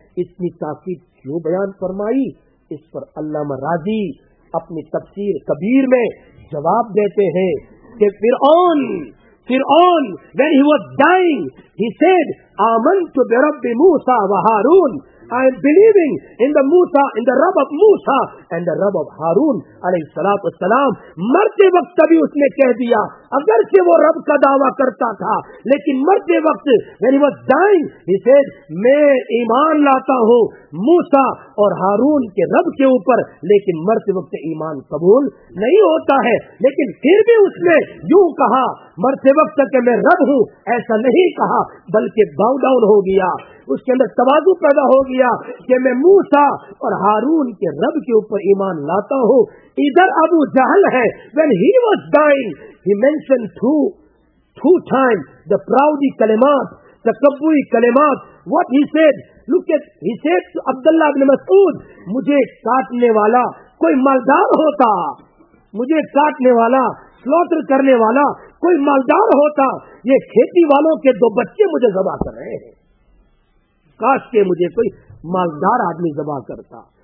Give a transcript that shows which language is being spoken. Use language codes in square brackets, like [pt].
[ur] اتنی تاکید کیوں بیان فرمائی؟ اس پر علامہ راضی اپنی تفسیر کبیر میں جواب دیتے ہیں کہ فرعون [en] when he was dying he said [ar] آمنت برب موسیٰ و ہارون. [en] I am believing in the Musa, in the Rabb of Musa and the Rabb of Harun علیہ الصلوۃ والسلام. [ur] مرتے وقت تبھی اس نے کہہ دیا, اگرچہ وہ رب کا دعویٰ کرتا تھا لیکن مرتے وقت, [en] when he was dying he said [ur] میں ایمان لاتا ہوں موسیٰ اور ہارون کے رب کے اوپر, لیکن مرتے وقت ایمان قبول نہیں ہوتا ہے. لیکن پھر بھی اس نے یوں کہا مرتے وقت کہ میں رب ہوں, ایسا نہیں کہا, بلکہ باو ڈاؤن ہو گیا, اس کے اندر تواضع پیدا ہو گیا کہ میں موسیٰ اور ہارون کے رب کے اوپر ایمان لاتا ہوں. ادھر ابو جہل ہے, [en] when he was dying he mentioned two times the proudy کلمات, the [ur] تکبری کلمات. [en] What he said, look at, he said to [ur] عبداللہ بن مسعود, مجھے کاٹنے والا کوئی مالدار ہوتا, مجھے کاٹنے والا, سلوٹر کرنے والا کوئی مالدار ہوتا, یہ کھیتی والوں کے دو بچے مجھے ذبح کر رہے ہیں, کاش کے مجھے کوئی مالدار آدمی ذبح کرتا.